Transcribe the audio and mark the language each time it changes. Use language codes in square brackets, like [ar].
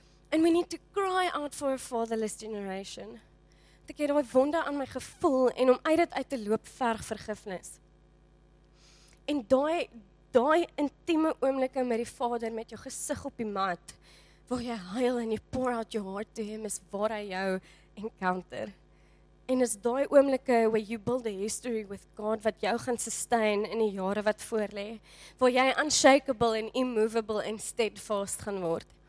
[en] And we need to cry out for a fatherless generation. [af] Ek het daai wonde aan my gevoel en om uit dit uit te loop verg vergifnis. En daai intieme oomblikke met die Vader met jou gesig op die mat, waar jy huil en jy [en] pour out your heart to him, [af] is waar hy jou encounter. En is daai oomblikke [en] where you build a history with God [af] wat jou gaan sustain in die jare wat voorlê, waar jy unshakable en immovable en steadfast gaan word.